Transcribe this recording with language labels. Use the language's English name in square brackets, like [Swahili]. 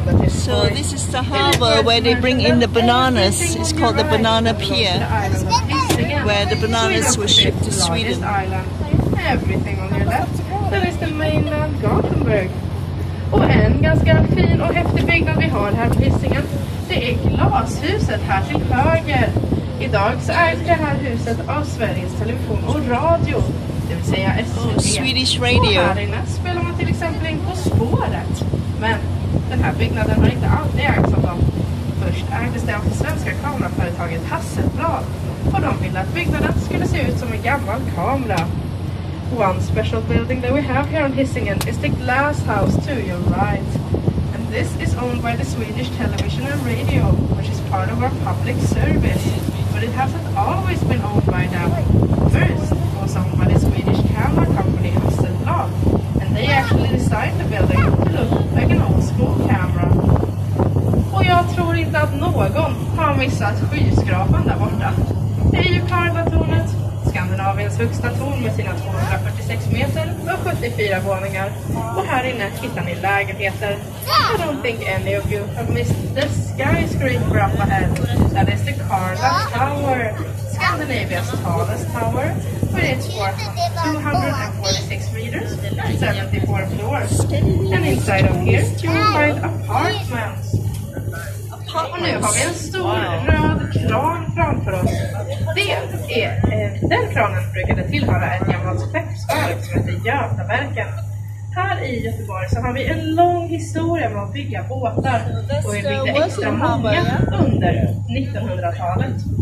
[English] So this is the harbour where they bring in the bananas. It's called the banana pier, where the bananas were shipped to Sweden. Everything on your left. Then is the mainland Gothenburg. [Swedish] Och en ganska fin och häftig byggnad vi har här på Hisingen. Det är glashuset här till höger. Idag så är det här huset av Sveriges Television och Radio. Det vill säga [English] Swedish Radio. [Swedish] Och här inne spelar man till exempel in På spåret. Men den här byggnaden har inte alltid ägts av dem. Först ägdes det av det svenska kameraföretaget Hasselblad. Och de ville att byggnaden skulle se ut som en gammal kamera. [English] One special building that we have here on Hisingen is the glass house to your right. And this is owned by the Swedish Television and Radio, which is part of our public service. But it hasn't always been owned by them. First, it was owned by the Swedish camera company Hasselblad. And they actually designed the building to look like an old school camera. [Swedish] Och jag tror inte att någon har missat skyskrapan där borta. Det är ju Karlatornet. Skandinaviens högsta torn med sina 246 meter och 74 våningar. Och här inne hittar ni lägenheter. [English] I don't think any of you have missed the skyscraper up ahead. That is the Karla Tower, Scandinavia's tallest tower. But it's 246 meters, 74 floors. And inside of here you will find apartments. [Swedish] Och nu har vi en stor röd kran framför oss. Den kranen brukade tillhöra ett gammalt skeppsverk som heter Götaverken. Här i Göteborg så har vi en lång historia med att bygga båtar. Och vi byggde extra många under 1900-talet.